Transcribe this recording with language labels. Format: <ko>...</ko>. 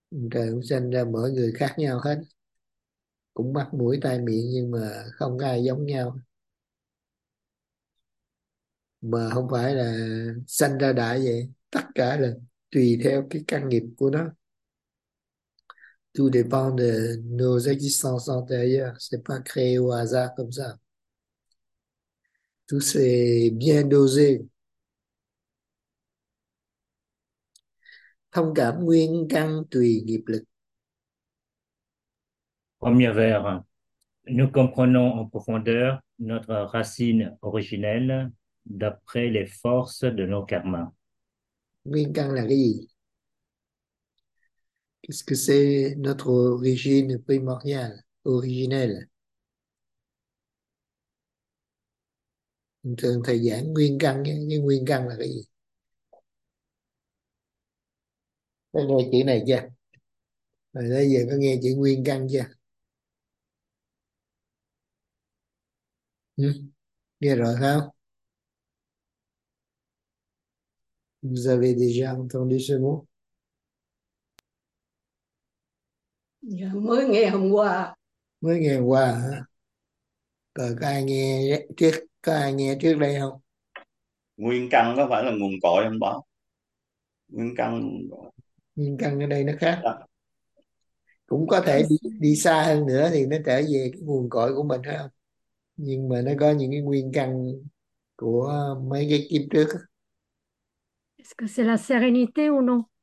<vi>Trời cũng sanh ra mỗi người khác nhau hết. Cũng mắt, mũi, tai, miệng nhưng mà không có ai giống nhau. Mà không phải là sanh ra đã vậy. Tất cả là tùy theo cái căn nghiệp của nó.</vi> <fr>Tout dépend de nos existences antérieures. C'est pas créé au hasard comme ça. Tout s'est bien dosé.</fr> <vi>thông cảm nguyên căn tùy nghiệp lực.</vi> <fr>Premier vers, nous comprenons en profondeur notre racine originelle d'après les forces de nos karmas.</fr> <vi>Nguyên căn là cái gì?</vi> <fr>Qu'est-ce que c'est notre origine primordiale, originelle?</fr> <vi>Thường thầy giảng nguyên căn nhé, nhưng nguyên căn là cái gì? Đây là chữ này chưa? Rồi bây giờ có nghe chữ nguyên căn chưa? Ừ, nghe rồi không?</vi> <fr>Vous avez déjà entendu ce mot?</fr> <vi>Dạ, mới nghe hôm qua. Mới nghe qua hả? Rồi có ai nghe trước, có ai nghe trước đây không? Nguyên căn có phải là nguồn cội anh Bảo? Nguyên căn Nguyên căn ở đây nó khác. đó. Cũng có thể đi xa hơn nữa thì nó trở về cái nguồn cội của mình phải không? Nhưng mà nó có những cái nguyên căn của mấy cái kiếp trước.</vi> <fr>Est-ce que c'est la sérénité ou non?</fr>